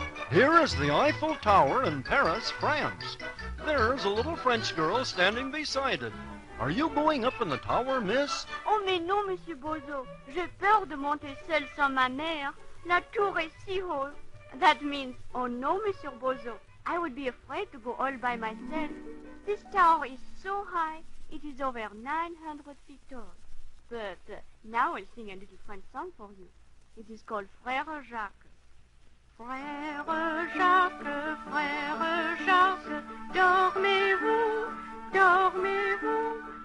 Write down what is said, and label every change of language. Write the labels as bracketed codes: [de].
[en] Here is the Eiffel Tower in Paris, France. There's a little French girl standing beside it. Are you going up in the tower, miss? [fr] Oh, mais non, Monsieur Bozo. J'ai peur de monter seule sans ma mère. La tour est si haute. [en] That means, oh no, Monsieur Bozo. I would be afraid to go all by myself. This tower is so high. It is over 900 feet tall. But now I'll sing a little French song for you. It is called Frère Jacques. [fr] Frère Jacques, Frère Jacques, dormez-vous, dormez-vous.